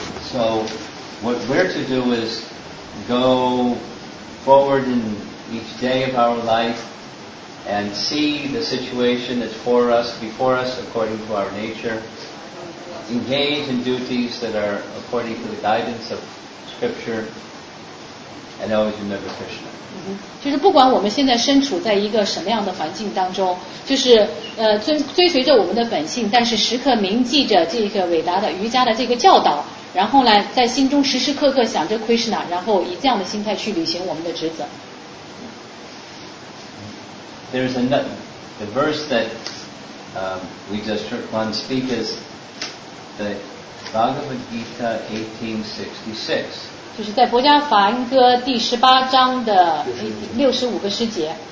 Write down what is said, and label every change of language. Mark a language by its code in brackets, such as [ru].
[en] So what we're to do is go forward in each day of our life and see the situation that's for us, before us, according to our nature. Engage in duties that are according to the guidance of Scripture. And always remember Krishna. [zh] 就是不管我们现在身处在一个什么样的环境当中，就是追随着我们的本性，但是时刻铭记着这个伟大的瑜伽的这个教导，然后呢，在心中时时刻刻想着 Krishna， 然后以这样的心态去履行我们的职责。 [en] There's another the verse that we just heard one speak is the Bhagavad Gita 1866. [zh] 就是在《伯加梵歌》第十八章的六十五个诗节。